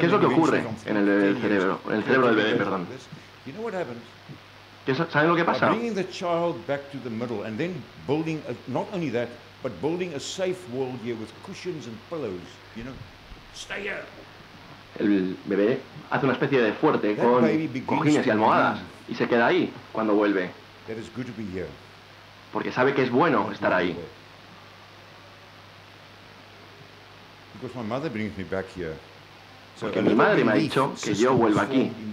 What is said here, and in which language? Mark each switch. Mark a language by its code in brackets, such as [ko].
[es] ¿Qué es lo que ocurre en el bebé, en el cerebro del bebé, perdón? [en] You know what happens? [es] ¿Saben lo que pasa? [en] Bringing the child back to the middle and then building not only that, but building a safe world here with cushions and pillows. You know, stay here. [es] El bebé hace una especie de fuerte con cojines y almohadas y se queda ahí cuando vuelve. [en] That is good to be here. [es] Porque sabe que es bueno estar ahí. [en] Because my mother brings me back here. [es] Porque mi madre me ha dicho que yo vuelva aquí.